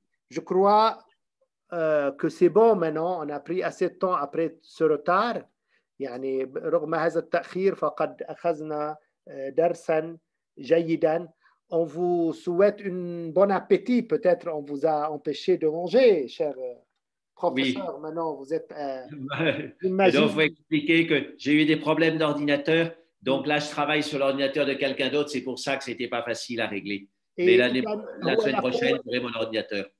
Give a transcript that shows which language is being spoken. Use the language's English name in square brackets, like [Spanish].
[French] Je crois que c'est bon maintenant, on a pris assez de temps après ce retard. [Arabic] يعني رغم هذا التأخير فقد أخذنا درسا جيدا. [French] On vous souhaite un bon appétit. Peut-être on vous a empêché de manger, cher professeur. Oui. Maintenant vous êtes imaginé. Donc vous expliquez que j'ai eu des problèmes d'ordinateur. Donc là je travaille sur l'ordinateur de quelqu'un d'autre. C'est pour ça que c'était pas facile à régler. Mais la semaine prochaine j'aurai mon ordinateur.